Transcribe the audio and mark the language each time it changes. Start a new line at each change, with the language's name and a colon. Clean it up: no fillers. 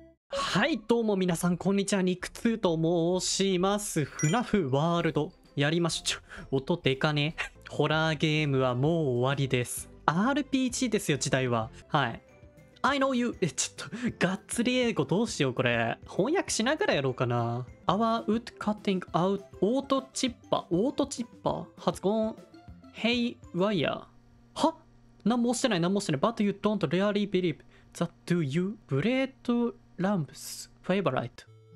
Japanese: はい、どうも皆さん、こんにちは。肉痛と申します。フナフワールド、やりましょう。ちょ、音でかね。ホラーゲームはもう終わりです。 RPG ですよ、時代は。はい。
English: I know you.
Japanese: え、ちょっと、がっつり英語どうしよう、これ。翻訳しながらやろうかな。
English: Our wood cutting out, auto chipper, auto chipper has gone hay wire.
Japanese: は？何もしてない、何もしてない。
English: But you don't really believe that, do you?
Japanese: ブレードランプス、フェイバライト。